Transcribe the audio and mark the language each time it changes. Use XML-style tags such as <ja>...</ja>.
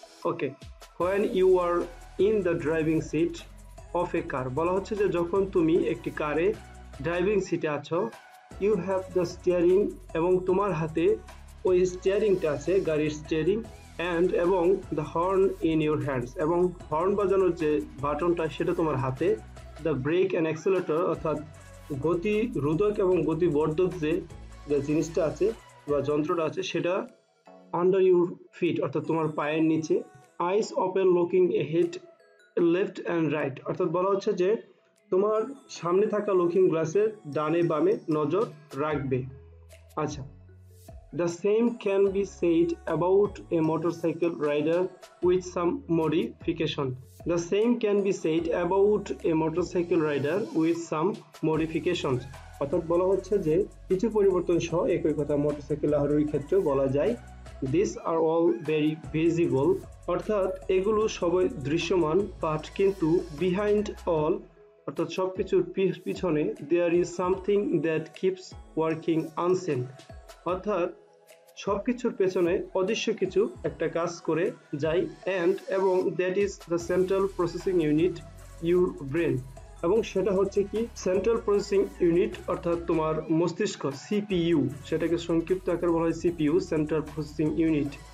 <bn>Okay, when you আর in the driving seat of এ কার, বলা হচ্ছে যে যখন তুমি একটি কারে ড্রাইভিং সিটে আছো, ইউ হ্যাভ দ্য স্টিয়ারিং, এবং তোমার হাতে ওই স্টিয়ারিংটা আছে, গাড়ির স্টিয়ারিং, অ্যান্ড এবং the horn in your hands, এবং হর্ন বাজানোর যে বাটনটা সেটা তোমার হাতে, দ্য ব্রেক অ্যান্ড অ্যাক্সেলেটর অর্থাৎ গতি রোধক এবং গতি বর্ধক যে জিনিসটা আছে বা যন্ত্রটা আছে সেটা আন্ডার ইউর ফিট অর্থাৎ তোমার পায়ের নিচে, আইস open looking ahead left and right অর্থাৎ বলা হচ্ছে যে তোমার সামনে থাকা লুকিং গ্লাসের ডানে বামে নজর রাখবে।</bn> <en>আচ্ছা, The same can be said about a motorcycle rider with some modification. The same can be said about a motorcycle rider with some modifications.</en> <bn>অর্থাৎ বলা হচ্ছে যে কিছু পরিবর্তন সহ একই কথা মোটরসাইকেল আরোহীর ক্ষেত্রে বলা যায়।</bn> <en>This are all very visible. অর্থাৎ এগুলো সবই দৃশ্যমান, but কিন্তু behind all অর্থাৎ সব কিছুর পিছনে there is something that keeps working unseen.</en> <bn>অর্থাৎ সব কিছুর পেছনে অদৃশ্য কিছু একটা কাজ করে যায়, অ্যান্ড এবং that is the central processing unit your brain, এবং সেটা হচ্ছে কি সেন্ট্রাল প্রসেসিং ইউনিট অর্থাৎ তোমার মস্তিষ্ক সিপিইউ, সেটাকে সংক্ষিপ্ত আকার বলা হয় সিপিইউ, সেন্ট্রাল প্রসেসিং ইউনিট।</bn>